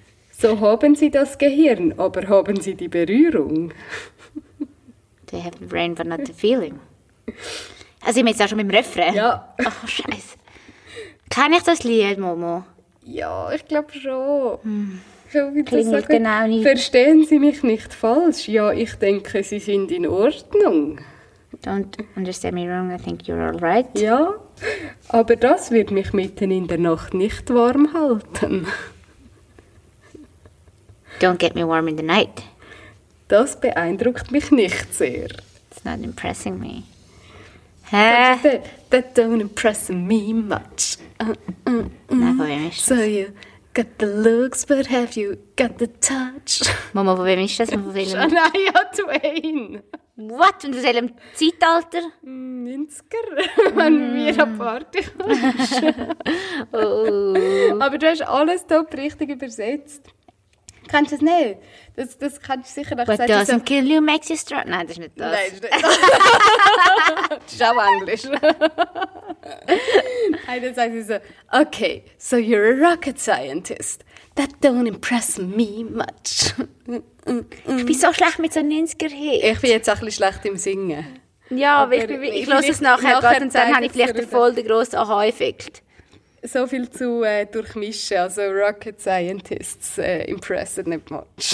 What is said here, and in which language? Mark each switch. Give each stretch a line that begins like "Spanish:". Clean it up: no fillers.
German: So haben sie das Gehirn, aber haben sie die Berührung?
English: They have the brain, but not the feeling.
German: Also, ich bin jetzt auch schon mit dem Refrain. Ja. Oh, Scheiße. Kenn ich das Lied, Momo? Ja, ich glaube schon. Klingelt genau nicht. Verstehen Sie mich nicht falsch? Ja, ich denke, Sie sind in Ordnung.
English: Don't understand me wrong, I think you're all right.
German: Ja, aber das wird mich mitten in der Nacht nicht warm halten.
English: Don't get me warm in the night.
German: Das beeindruckt mich nicht sehr.
English: It's not impressing me. Hä? That don't impress me much. So you got the looks, but have you got the touch?
German: Mama, von wem ist das?
English: Shania Twain.
German: Was? Und aus welchem Zeitalter? 90er, wenn wir eine Party haben. Aber du hast alles top richtig übersetzt. Kennst du es nicht? Das kannst du sicher nicht sagen.
English: But doesn't kill you makes you strong.
German: Nein, das ist nicht das. Nein, das ist nicht das. Das ist auch Englisch. Nein, dann sagst du so,
English: okay, so you're a rocket scientist. That don't impress me much.
German: Ich bin so schlecht mit so 90er-Hits. Ich bin jetzt auch ein bisschen schlecht im Singen. Ja, aber ich höre es nachher und dann habe ich vielleicht voll den grossen Aha-Effekt. So viel zu durchmischen. Also Rocket Scientists impressen nicht much.